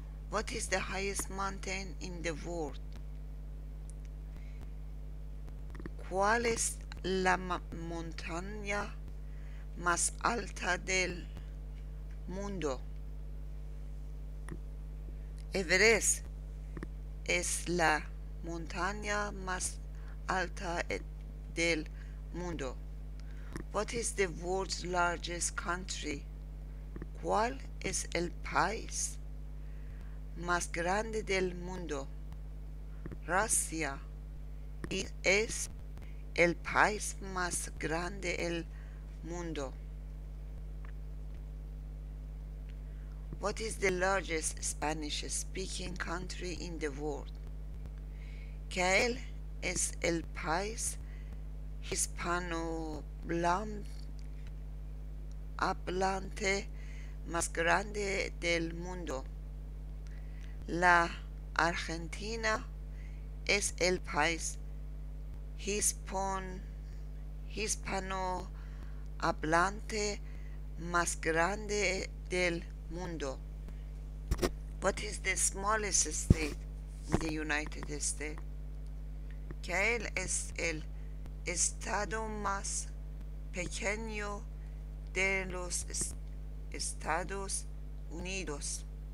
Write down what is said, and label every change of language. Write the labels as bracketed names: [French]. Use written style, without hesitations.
[English] What is the highest mountain in the world? [Spanish] ¿Cuál es la montaña más alta del mundo? Everest es la montaña más alta del mundo. [English] What is the world's largest country? [Spanish] ¿Cuál es el país más grande del mundo? Rusia es el país más grande del mundo. [English] What is the largest Spanish-speaking country in the world? [Spanish] ¿Qué es el país hispanohablante más grande del mundo? La Argentina es el país hispanohablante más grande del mundo. [English] What is the smallest state in the United States? [Spanish] ¿Cuál es el estado más pequeño de los Estados Unidos?